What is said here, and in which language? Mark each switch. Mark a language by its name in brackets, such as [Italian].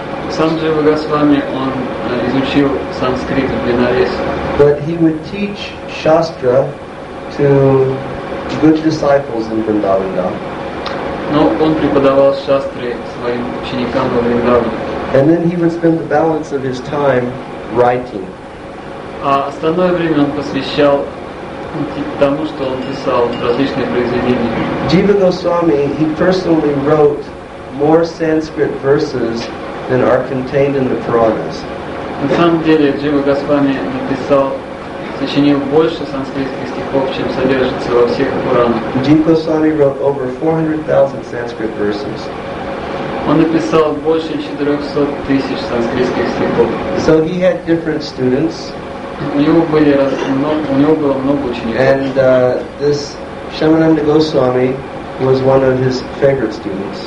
[Russian] Сам Джива Госвами, он изучил санскрит в Бенаресе. [English] But he would teach Shastra to good disciples in Vrindavan. [Russian] Но он преподавал Шастры своим ученикам во Вриндаване. [English] And then he would spend the balance of his time writing. [Russian] А остальное время он посвящал тому, что он писал различные произведения. [English] Jiva Goswami, he personally wrote more Sanskrit verses than are contained in the Puranas. [Russian] На самом деле, Джива Госвами написал, сочинил больше санскритских стихов, чем содержится во всех Пуранах. [English] Jiva Goswami wrote over 400,000 Sanskrit verses. [Russian] Он написал больше 400 тысяч санскритских стихов. [English] So he had different students. And this Shyamananda Goswami was one of his favorite students.